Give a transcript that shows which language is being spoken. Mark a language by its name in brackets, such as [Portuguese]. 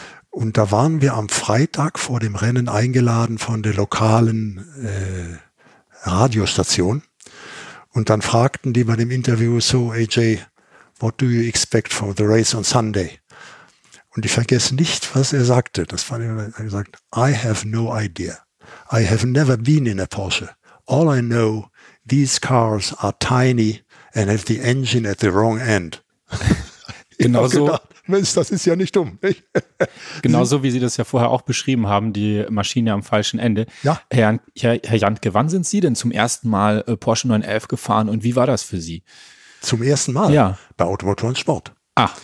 [German] Und da waren wir am Freitag vor dem Rennen eingeladen von der lokalen Radiostation. Und dann fragten die bei dem Interview so, AJ, [English] what do you expect for the race on Sunday? [German] Und ich vergesse nicht, was er sagte. Das fand ich, er hat gesagt, [English] I have no idea. I have never been in a Porsche. All I know, these cars are tiny and have the engine at the wrong end. [German] Genau so. Mensch, das ist ja nicht dumm. Genauso wie Sie das ja vorher auch beschrieben haben, die Maschine am falschen Ende. Ja. Herr Jantke, wann sind Sie denn zum ersten Mal Porsche 911 gefahren und wie war das für Sie? Zum ersten Mal? Ja. Bei Automotoren Sport. Ah.